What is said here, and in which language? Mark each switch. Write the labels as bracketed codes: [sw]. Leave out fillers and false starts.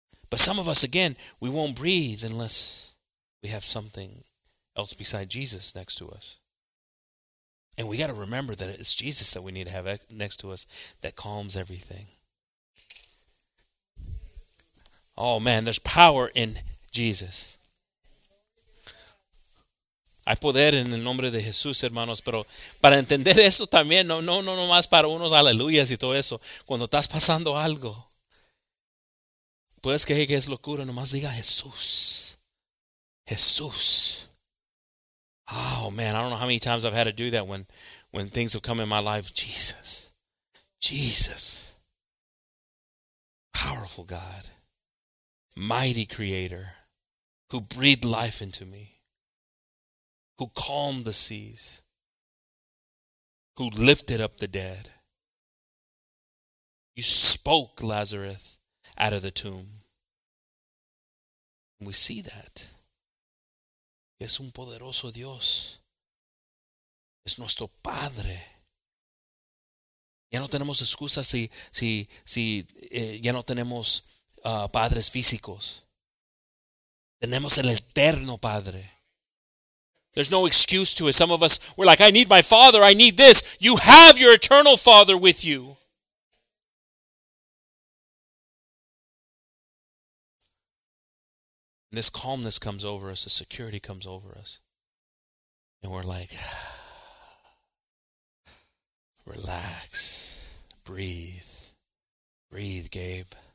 [en] But some of us, again, we won't breathe unless we have something else beside Jesus next to us. And we got to remember that it's Jesus that we need to have next to us that calms everything. Oh man, there's power in Jesus. [es] Hay poder en el nombre de Jesús, hermanos. Pero para entender eso también, no más para unos aleluyas y todo eso. Cuando estás pasando algo, puedes creer que es locura, nomás diga Jesús. Jesús. [en] Oh man, I don't know how many times I've had to do that when things have come in my life. Jesus. Jesus. Powerful God. Mighty Creator. Who breathed life into me. Who calmed the seas. Who lifted up the dead. You spoke Lazarus out of the tomb. We see that. [es] Es un poderoso Dios. Es nuestro Padre. Ya no tenemos excusas si ya no tenemos padres físicos. Tenemos el eterno Padre. [en] There's no excuse to it. Some of us, we're like, I need my father. I need this. You have your eternal father with you. And this calmness comes over us. The security comes over us. And we're like, relax. Breathe. Breathe, Gabe.